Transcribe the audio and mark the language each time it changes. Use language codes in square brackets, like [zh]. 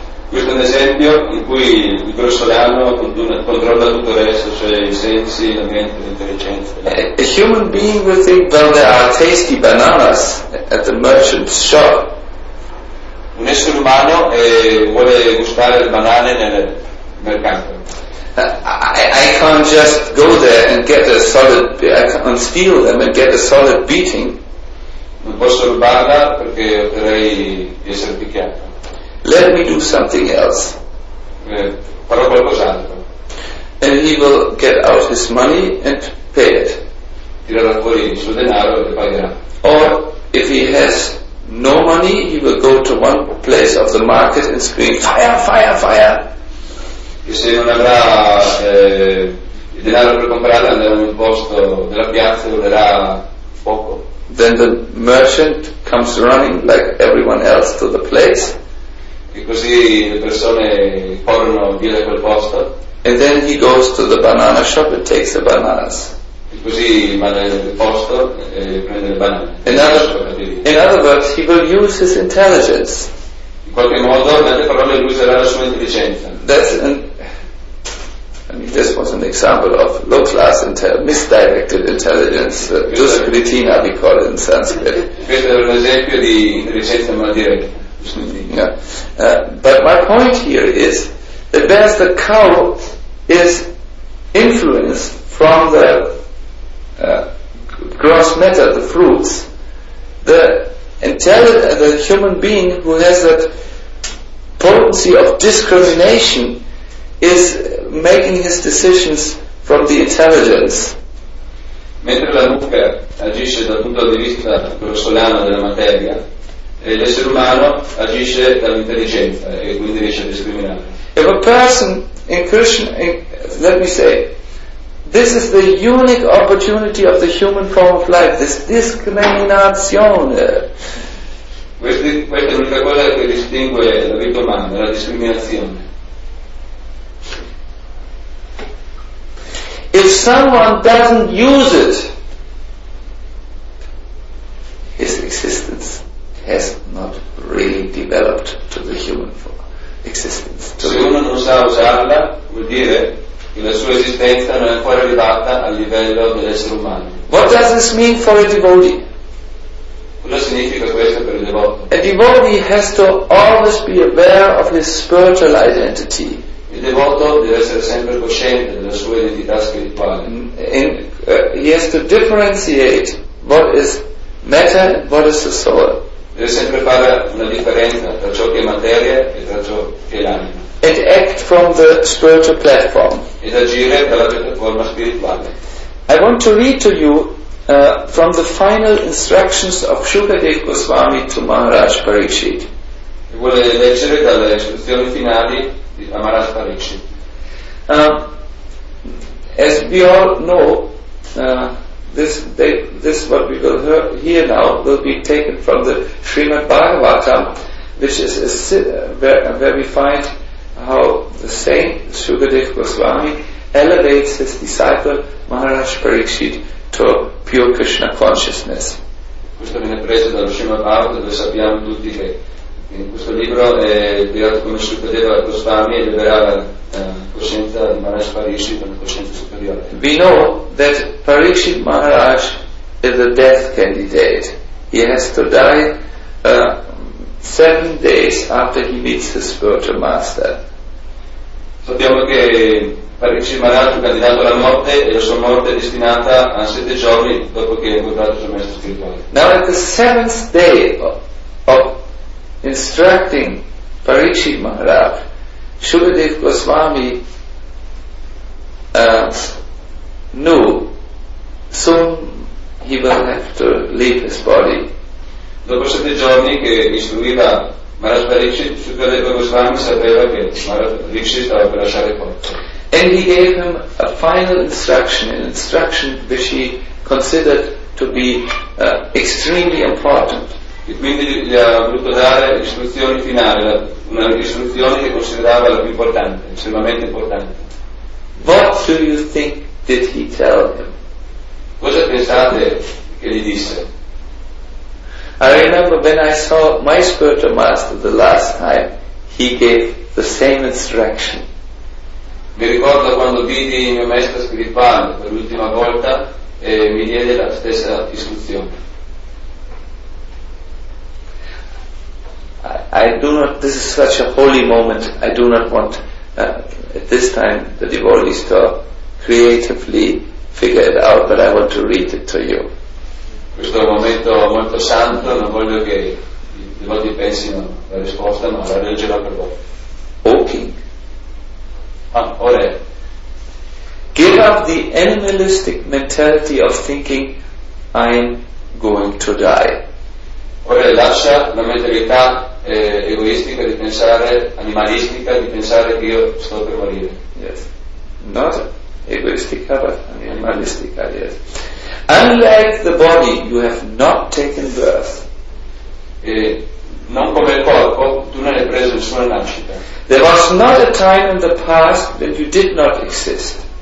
[it] Questo è un esempio in cui il grossolano controlla tutto il resto, cioè i sensi, la mente, l'intelligenza. [en] A human being will think, well, there are tasty bananas at the merchant's shop. [it] Un essere umano vuole gustare le banane nel [en] I can't just go there and get a solid. I can't steal them and get a solid beating. [it] Non posso rubarla perché potrei essere picchiato. [en] Let me do something else. [it] Farò qualcos'altro. [en] And he will get out his money and pay it. [it] Tirerà fuori il suo denaro e pagherà. [en] Or if he has no money, he will go to one place of the market and scream, fire, fire, fire. [it] Che se non avrà il denaro per comprare andrà in un posto della piazza e urlerà fuoco. [en] Then the merchant comes running like everyone else to the place. [it] E così le persone corrono via da quel posto. [en] And then he goes to the banana shop and takes the bananas. [it] E così va nel posto e prende le banane. [en] In other words, he will use his intelligence. [it] In qualche modo, in altre parole, lui userà la sua intelligenza. [en] This was an example of low-class misdirected intelligence. Duskritina, we call it in Sanskrit. [it] Questo è un esempio di intelligenza mal diretta. [en] But my point here is that whereas the cow is influenced from the gross matter, the fruits, the human being who has that potency of discrimination is making his decisions from the intelligence. [it] Mentre la mucca agisce dal punto di vista grossolano della materia, l'essere umano agisce dall'intelligenza e quindi riesce a discriminare. [en] If a person in Krishna, let me say, this is the unique opportunity of the human form of life, this discriminazione. [it] Questa è l'unica cosa che distingue la vita umana, la discriminazione. [en] If someone doesn't use it, his existence has not really developed to the human existence. [it] Se uno non sa usarla, vuol dire che la sua esistenza non è ancora arrivata al livello dell'essere umano. [en] What does this mean for a devotee? [it] Cosa significa questo per il devoto? [en] A devotee has to always be aware of his spiritual identity. [it] Il devoto deve essere sempre cosciente della sua identità spirituale. [en] He has to differentiate what is matter and what is the soul. [it] Deve sempre fare una differenza tra ciò che è materia e tra ciò che è l'anima. [en] And act from the spiritual platform. [it] Ed agire dalla piattaforma spirituale. [en] I want to read to you from the final instructions of Shukadeva Goswami to Maharaj Parikshit. [it] Vuole leggere dalle istruzioni finali di Maharaj Parikshit. [en] As we all know, this what we will hear now will be taken from the Srimad Bhagavatam, which is where we find how the saint Shukadeva Goswami elevates his disciple Maharaj Parikshit to pure Krishna consciousness. [it] Questo viene preso dallo Srimad Bhagavatam, dove sappiamo tutti che in questo libro è liberato come Shukadeva Goswami e liberava coscienza di Maharaj Parikshit, una coscienza superiore. [en] We know that Parikshit Maharaj is a death candidate. He has to die 7 days after he meets his spiritual master. [it] Sappiamo che Parikshit Maharaj è candidato alla morte e la sua morte è destinata a 7 giorni dopo che ha incontrato il suo maestro spirituale. [en] Now at the seventh day of instructing Parikshit Maharaj, Shukadeva Goswami knew soon he will have to leave his body. [it] Dopo 7 giorni che istruiva Maharaj Parikshit, Shukadeva Goswami sapeva che Maharaj Parikshit stava per lasciare il corpo. [en] And he gave him a final instruction, an instruction which he considered to be extremely important. [it] E quindi gli ha voluto dare istruzioni finali, una istruzione che considerava la più importante, estremamente importante. [en] What do you think did he tell him? [it] Cosa pensate che gli disse? [en] I remember when I saw my spiritual master the last time, he gave the same instruction. [it] Mi ricordo quando vidi il mio maestro spirituale per l'ultima volta e mi diede la stessa istruzione. [en] This is such a holy moment. I do not want at this time the devotees to creatively figure it out, but I want to read it to you. [it] Questo è un momento molto santo, non voglio che i devoti pensino la risposta, ma la leggerò per voi. [en] O King. [it] Ah, ora. [en] Give up the animalistic mentality of thinking I'm going to die. [it] Ora lascia la mentalità egoistica di pensare, animalistica di pensare che io sto per morire. [en] Yes. Not egoistica, but animalistica, yes. Unlike the body, you have not taken birth. [it] Non come il corpo, tu non hai preso nessuna nascita. [en] There was not a time in the past that you did not exist.